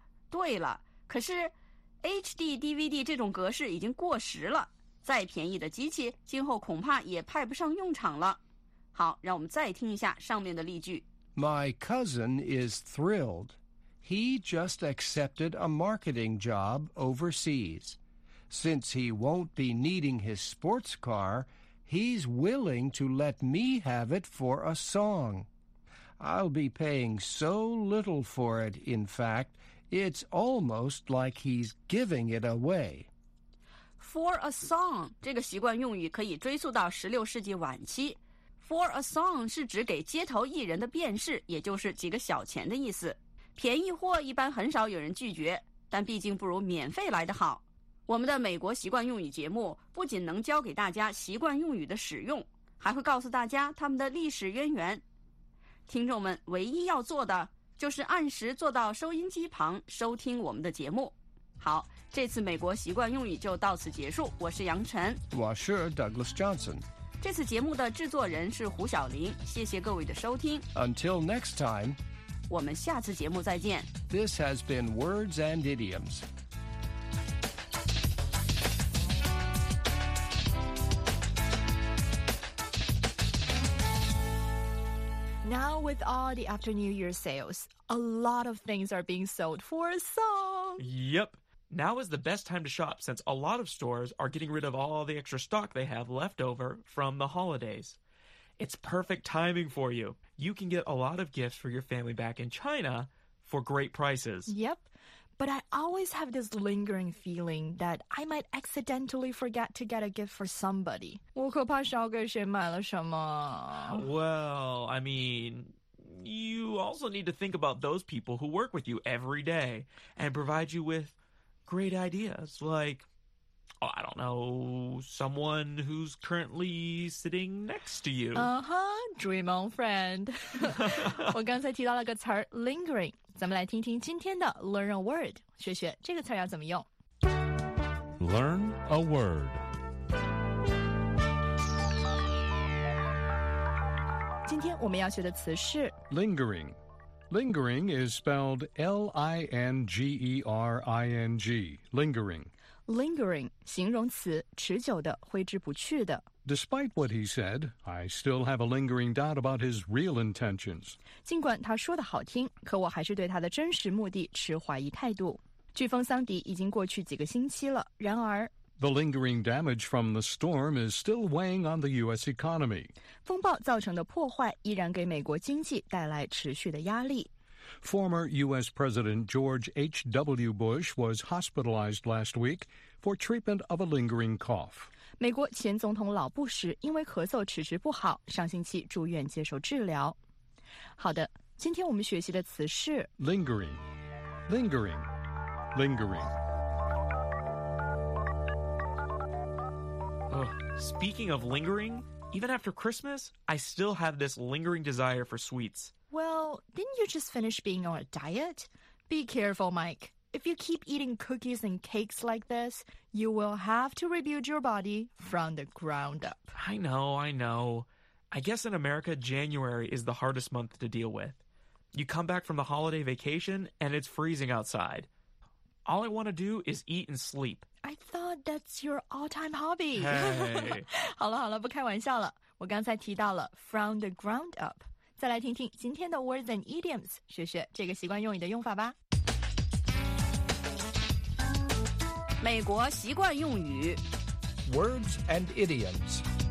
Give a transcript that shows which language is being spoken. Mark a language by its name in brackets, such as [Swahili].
[Chinese] 对了，可是HD DVD 这种格式已经过时了，再便宜的机器今后恐怕也派不上用场了。好，让我们再听一下上面的例句。 [English] My cousin is thrilled. He just accepted a marketing job overseas. Since he won't be needing his sports car, he's willing to let me have it for a song. I'll be paying so little for it, in fact,It's almost like he's giving it away. [Chinese] For a song, 这个习惯用语可以追溯到16世纪晚期。 For a song 是指给街头艺人的便士，也就是几个小钱的意思。便宜货一般很少有人拒绝，但毕竟不如免费来得好。我们的美国习惯用语节目不仅能教给大家习惯用语的使用，还会告诉大家他们的历史渊源。听众们唯一要做的就是按时坐到收音机旁收听我们的节目。好，这次美国习惯用语就到此结束。我是杨晨，我是 Douglas Johnson。这次节目的制作人是胡晓玲，谢谢各位的收听。 [English] Until next time， [Chinese] 我们下次节目再见。 [English] This has been Words and Idioms。 Now with all the after New Year sales, a lot of things are being sold for a song. Yep. Now is the best time to shop since a lot of stores are getting rid of all the extra stock they have left over from the holidays. It's perfect timing for you. You can get a lot of gifts for your family back in China for great prices. Yep. But I always have this lingering feeling that I might accidentally forget to get a gift for somebody. [Chinese] 我可怕少给谁买了什么。 [English] Well, I mean, you also need to think about those people who work with you every day and provide you with great ideas. Like, oh, I don't know, someone who's currently sitting next to you. Uh-huh, dream on friend. [Chinese] 我刚才提到了个词 lingering. 咱们来听听今天的 Learn a Word， 学学这个词要怎么用。 [English] Learn a Word。 [Chinese] 今天我们要学的词是 [English] Lingering。 Lingering is spelled L-I-N-G-E-R-I-N-G, lingering. [Chinese] Lingering, 形容词，持久的，挥之不去的。 [English] Despite what he said, I still have a lingering doubt about his real intentions. [Chinese] 尽管他说的好听，可我还是对他的真实目的持怀疑态度。飓风桑迪已经过去几个星期了，然而 [English] The lingering damage from the storm is still weighing on the U.S. economy. [Chinese] 风暴造成的破坏依然给美国经济带来持续的压力。 [English] Former U.S. President George H.W. Bush was hospitalized last week for treatment of a lingering cough. [Chinese] 美国前总统老布什因为咳嗽迟迟不好，上星期住院接受治疗。好的，今天我们学习的词是 [English] lingering, lingering, lingering. Speaking of lingering, even after Christmas, I still have this lingering desire for sweets. Well, didn't you just finish being on a diet? Be careful, Mike. If you keep eating cookies and cakes like this, you will have to rebuild your body from the ground up. I know, I know. I guess in America, January is the hardest month to deal with. You come back from the holiday vacation, and it's freezing outside. All I want to do is eat and sleep. I thought that's your all-time hobby. Hey. [Chinese] 好了好了，不开玩笑了。我刚才提到了 from the ground up。再来听听今天的 Words and Idioms， 学学这个习惯用语的用法吧。美国习惯用语 [English] Words and Idioms。